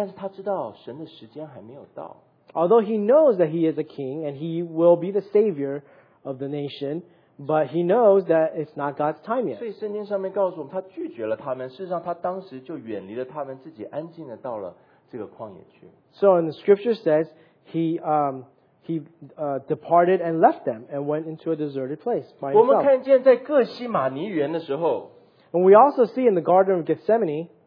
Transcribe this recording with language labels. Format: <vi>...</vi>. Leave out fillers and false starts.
<zh>虽然他的确是王，虽然他的确是拯救的王，但是他知道神的时间还没有到。</zh> <en>Although he knows that he is a king and he will be the savior of the nation, but he knows that it's not God's time yet.</en> <zh>所以圣经上面告诉我们，他拒绝了他们。事实上，他当时就远离了他们，自己安静的到了这个旷野去。</zh> <en>So in the scripture says he departed and left them and went into a deserted place by himself.</en> <zh>我们看见在哥西马尼园的时候，</zh> <en>and we also see in the Garden of Gethsemane,</en>